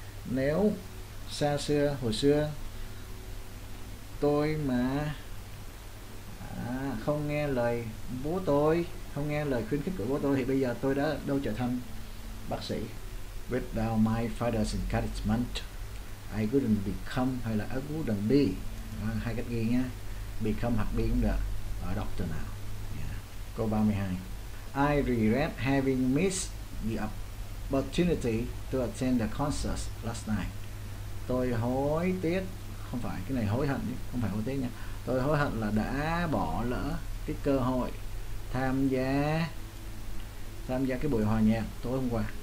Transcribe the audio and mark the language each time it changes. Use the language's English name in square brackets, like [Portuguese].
[Vietnamese] Nếu xa xưa, hồi xưa tôi mà không nghe lời bố tôi, không nghe lời khuyến khích của bố tôi, thì bây giờ tôi đã đâu trở thành bác sĩ. [English] Without my father's encouragement, I couldn't become, [Vietnamese] hay là [English] I couldn't be. [Vietnamese] À, hai cách ghi nhé. [English] Become [Vietnamese] hoặc [English] be [Vietnamese] cũng được. Ở doctor nào. Yeah. Câu 32. [English] I regret having missed the opportunity to attend the concert last night. [Vietnamese] Tôi hối tiếc. Không phải, cái này hối hận. Không phải hối tiếc nha. Tôi hối hận là đã bỏ lỡ cái cơ hội tham gia cái buổi hòa nhạc tối hôm qua.